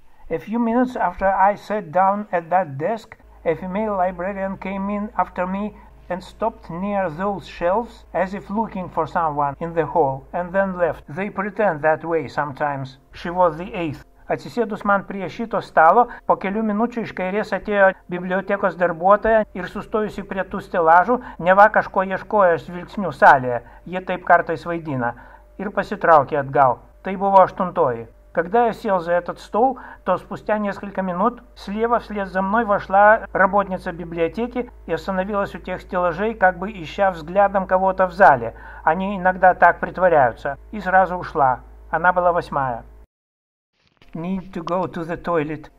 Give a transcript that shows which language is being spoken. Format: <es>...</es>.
<en>A few minutes after I sat down at that desk, a female librarian came in after me and stopped near those shelves as if looking for someone in the hall, and then left. They pretend that way sometimes. She was the eighth.</en> <lt>Atsisėdus man prie šito stalo, po kelių minučių iš kairės atėjo bibliotekos darbuotoja ir sustojusi prie tų stelažų, neva kažko ieškojo žvilgsnių salėje, jie taip kartais vaidina, ir pasitraukė atgal. Tai buvo aštuntoji.</lt> <ru>Когда я сел за этот стол, то спустя несколько минут слева вслед за мной вошла работница библиотеки и остановилась у тех стеллажей, как бы ища взглядом кого-то в зале. Они иногда так притворяются. И сразу ушла. Она была восьмая.</ru> <en>Need to go to the toilet.</en>